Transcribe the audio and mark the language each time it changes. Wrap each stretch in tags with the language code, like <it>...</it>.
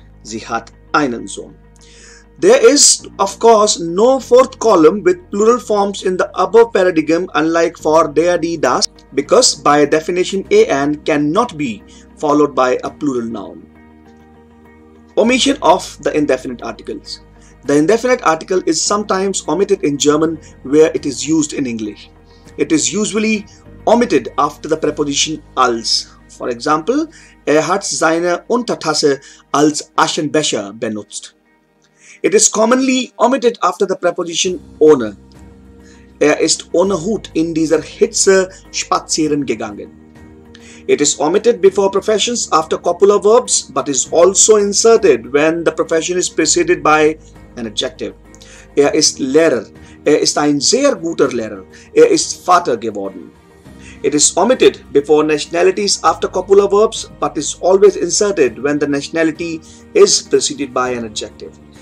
<en>Sie hat einen Sohn. There is, of course, no fourth column with plural forms in the above paradigm, unlike for der, die, das, because by definition, an cannot be followed by a plural noun. Omission of the indefinite articles. The indefinite article is sometimes omitted in German where it is used in English. It is usually omitted after the preposition als. For example, hat seine Untertasse als Aschenbecher benutzt. It is commonly omitted after the preposition ohne.</en> <de>Ist ohne Hut in dieser Hitze spazieren gegangen.</de> <en>It is omitted before professions after copular verbs, but is also inserted when the profession is preceded by an adjective. Ist Lehrer.</en> <de>Ist ein sehr guter Lehrer. Ist Vater geworden.</de> <en>It is omitted before nationalities after copular verbs, but is always inserted when the nationality is preceded by an adjective.</en>